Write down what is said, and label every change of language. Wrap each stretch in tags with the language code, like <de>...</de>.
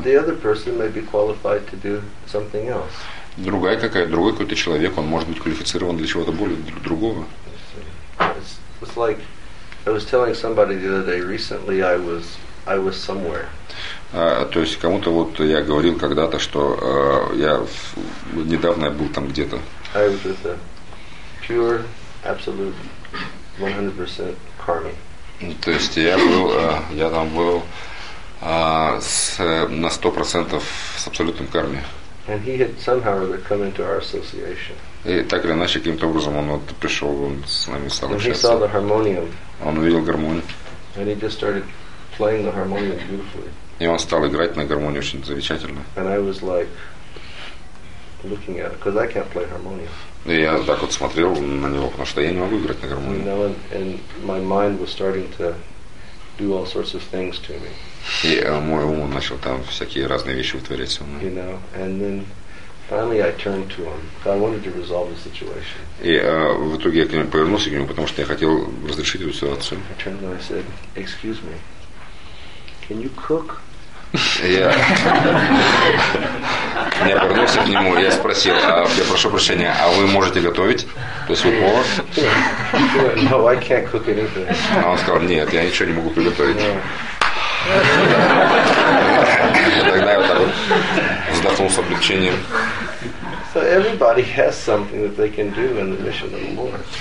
<en>The other person may be qualified to do something else.</en> <ru>Другой какой-то человек, он может быть квалифицирован для чего-то более другого.</ru> <en>It's like I was telling somebody the other day, recently I was somewhere.</en> <ru>То есть кому-то вот я говорил когда-то, что я недавно был там где-то.</ru> <en>I was with a pure, absolute, 100% karmi.</en> <ru>То есть я там был на 100% с абсолютным карми.</ru> <en>And he had somehow come into our association.</en> <ru>И так или иначе, каким-то образом он вот пришел, он с нами стал общаться.</ru> <en>And he saw the harmonium.</en> <ru>Он увидел гармонию.</ru> <en>And he just started playing the harmonium beautifully.</en> <ru>И он стал играть на гармонии очень замечательно.</ru> <en>And I was like looking at it, because I can't play harmonium.</en> <ru>И я так вот смотрел на него, потому что я не могу играть на гармонии.</ru> <en>You know, and my mind was starting to do all sorts of things to me.</en> <ru>И мой ум начал там всякие разные вещи вытворять со мной.</ru> <en>You know, and then finally I turned to him. I wanted to resolve the situation.</en> <ru>И в итоге я к нему повернулся, к нему, потому что я хотел разрешить эту ситуацию.</ru> <en>I turned to him and I said, "Excuse me, can you cook?"</en> <ru>Я повернулся к нему, я спросил, я прошу прощения, а вы можете готовить? То есть вы повар?</ru> <en>No, I can't cook anything.</en> <ru>А он сказал, нет, я ничего не могу приготовить. Тогда я вот так вот вздохнул с облегчением.</ru> <en>So everybody has something that they can do in the mission of the Lord.</en>